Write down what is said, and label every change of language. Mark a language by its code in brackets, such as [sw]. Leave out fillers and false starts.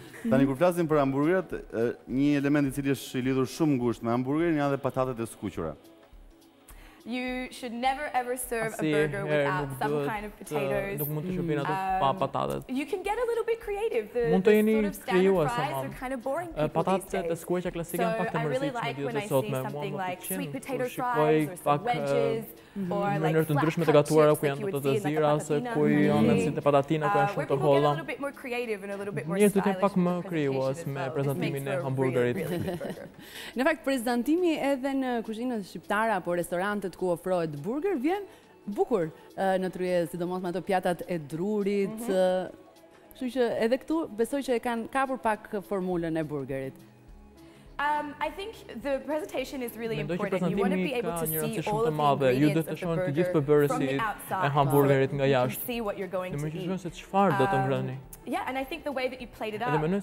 [sq] Tani, kur flasim për hamburgerët, një element I cili është I lidhur shumë ngushtë me hamburgerin, janë edhe patatet e skuqura. [en] You should never ever serve a burger without some kind of potatoes. You can get a little bit creative. The sort of standard fries are kind of boring people these days. So I really like when I see something like sweet potato fries or some wedges or like flat cut chips that you would see in like a patatina community. We're going to get a little bit more creative and a little bit more stylish with the presentation. [sq] Njërë të tjenë pak më krijuas me prezentimin e hamburgerit. Në fakt, prezentimi edhe në kuzhinët shqiptare apo restorante ku ofrohet burger, vjen bukur në trye, sidomos me ato pjatat e drurit. Kështu që edhe këtu besoj që e kanë kapur pak formulën e burgerit. [en] I think the presentation is really important. You want to be able to see all of the ingredients of the burger from the outside. See what you're going to eat. Yeah, and I think the way that you plate it up,